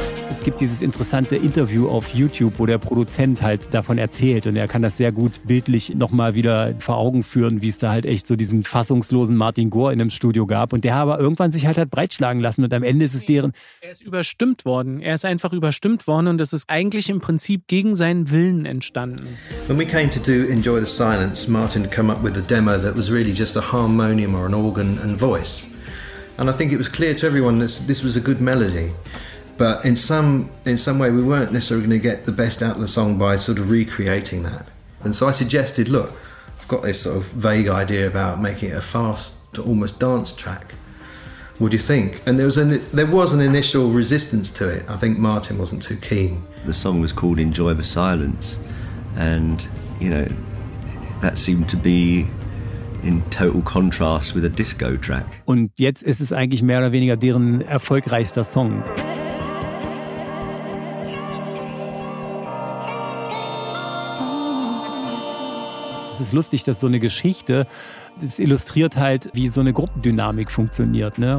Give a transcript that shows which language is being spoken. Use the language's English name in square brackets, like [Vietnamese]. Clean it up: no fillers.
[German] Es gibt dieses interessante Interview auf YouTube, wo der Produzent halt davon erzählt und er kann das sehr gut bildlich nochmal wieder vor Augen führen, wie es da halt echt so diesen fassungslosen Martin Gore in einem Studio gab und der aber irgendwann sich halt hat breitschlagen lassen und am Ende ist es deren... Er ist überstimmt worden. Er ist einfach überstimmt worden und das ist eigentlich im Prinzip gegen seinen Willen entstanden. [English] When we came to do Enjoy the Silence, Martin came up with a demo that was really just a harmonium or an organ and voice. And I think it was clear to everyone that this was a good melody. But in some way we weren't necessarily going to get the best out of the song by sort of recreating that. And so I suggested, look, I've got this sort of vague idea about making it a fast, almost dance track. What do you think? And there was an initial resistance to it. I think Martin wasn't too keen. The song was called Enjoy the Silence. And, you know, that seemed to be in total contrast with a disco track. [German] Und jetzt ist es eigentlich mehr oder weniger deren erfolgreichster Song. Es ist lustig, dass so eine Geschichte, das illustriert halt, wie so eine Gruppendynamik funktioniert, ne?